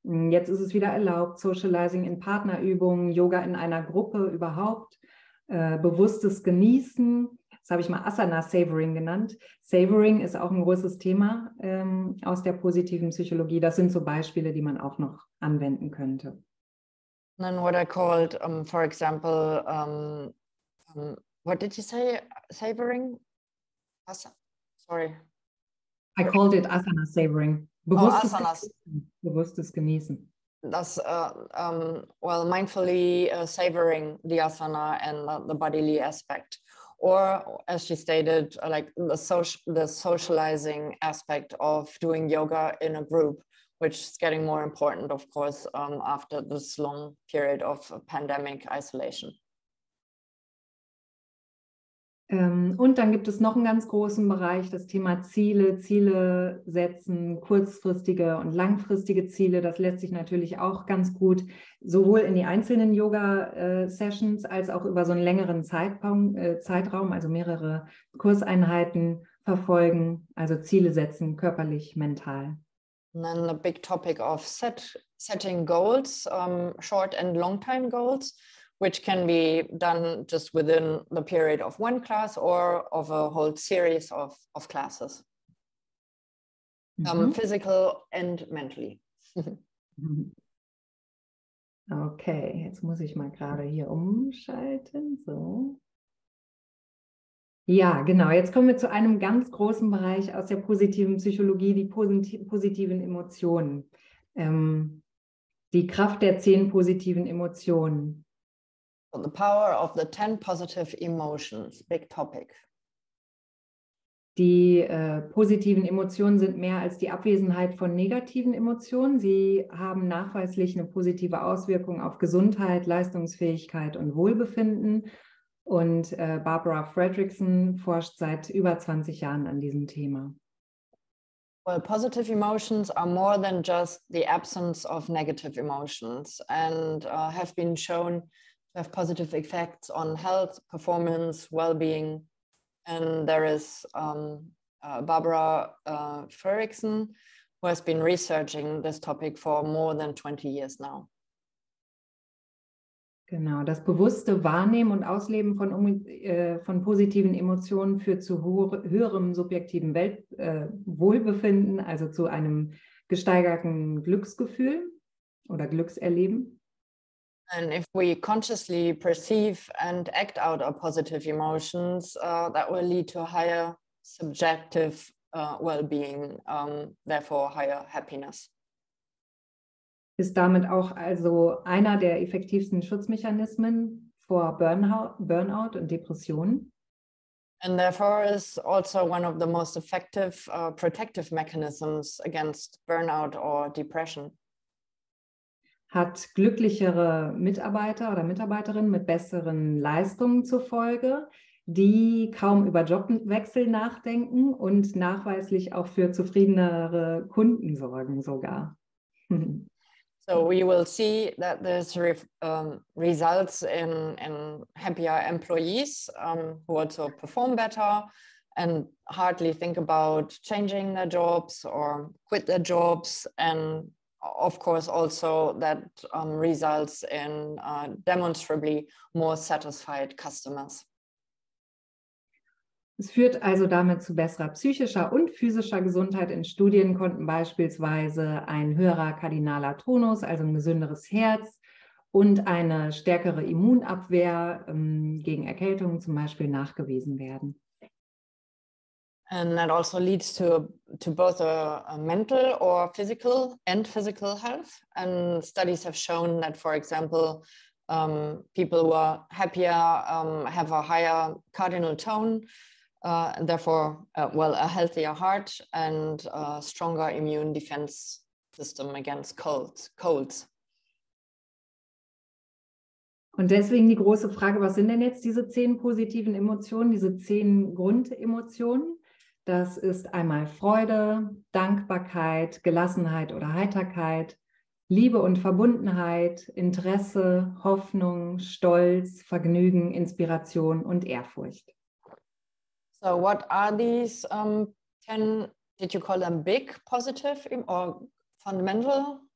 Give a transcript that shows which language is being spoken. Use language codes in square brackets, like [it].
[de] Jetzt ist es wieder erlaubt, Socializing in Partnerübungen, Yoga in einer Gruppe überhaupt, bewusstes Genießen, das habe ich mal Asana-Savoring genannt. Savoring ist auch ein großes Thema aus der positiven Psychologie. Das sind so Beispiele, die man auch noch anwenden könnte. [en] And then what I called, for example, what did you say, savoring? Sorry. I called it asana savoring. [de] Bewusstes Genießen. Bewusstes Genießen. [en] Das, well, mindfully savoring the asana and the bodily aspect. Or, as she stated, like the socializing aspect of doing yoga in a group, which is getting more important, of course, after this long period of pandemic isolation. [de] Und dann gibt es noch einen ganz großen Bereich, das Thema Ziele setzen, kurzfristige und langfristige Ziele. Das lässt sich natürlich auch ganz gut sowohl in die einzelnen Yoga-Sessions als auch über so einen längeren Zeitraum, also mehrere Kurseinheiten verfolgen, also Ziele setzen, körperlich, mental. [en] And then the big topic of setting goals, short and long time goals. Which can be done just within the period of one class or of a whole series of classes, mm-hmm. Physical and mentally. [de] Okay, jetzt muss ich mal gerade hier umschalten. So. Ja, genau, jetzt kommen wir zu einem ganz großen Bereich aus der positiven Psychologie, die positiven Emotionen. Die Kraft der 10 positiven Emotionen. [en] The power of the 10 positive emotions, big topic. [de] Die positiven Emotionen sind mehr als die Abwesenheit von negativen Emotionen. Sie haben nachweislich eine positive Auswirkung auf Gesundheit, Leistungsfähigkeit und Wohlbefinden. Und Barbara Fredrickson forscht seit über 20 Jahren an diesem Thema. [en] Well, positive emotions are more than just the absence of negative emotions and have been shown have positive effects on health, performance, well-being. And there is Barbara Fredrickson, who has been researching this topic for more than 20 years now. [de] Genau, das bewusste Wahrnehmen und Ausleben von positiven Emotionen führt zu höherem subjektiven Wohlbefinden, also zu einem gesteigerten Glücksgefühl oder Glückserleben. [en] And if we consciously perceive and act out our positive emotions, that will lead to higher subjective well-being, therefore higher happiness. [de] Ist damit auch also einer der effektivsten Schutzmechanismen vor Burnout und Depressionen? [en] And therefore is also one of the most effective protective mechanisms against burnout or depression. [de] Hat glücklichere Mitarbeiter oder Mitarbeiterinnen mit besseren Leistungen zur Folge, die kaum über Jobwechsel nachdenken und nachweislich auch für zufriedenere Kunden sorgen sogar. [en] So we will see that this results in happier employees who also perform better and hardly think about changing their jobs or quit their jobs. And of course, also that results in demonstrably more satisfied customers. [de] Es führt also damit zu besserer psychischer und physischer Gesundheit. In Studien konnten beispielsweise ein höherer kardinaler Tonus, also ein gesünderes Herz und eine stärkere Immunabwehr gegen Erkältungen zum Beispiel nachgewiesen werden. [en] And that also leads to both a mental or physical and physical health. And studies have shown that, for example, people who are happier have a higher cardinal tone, therefore, a healthier heart and a stronger immune defense system against colds. [de] Und deswegen die große Frage, was sind denn jetzt diese 10 positiven Emotionen, diese 10 Grundemotionen? Das ist einmal Freude, Dankbarkeit, Gelassenheit oder Heiterkeit, Liebe und Verbundenheit, Interesse, Hoffnung, Stolz, Vergnügen, Inspiration und Ehrfurcht. [en] So what are these 10, did you call them big, positive or fundamental?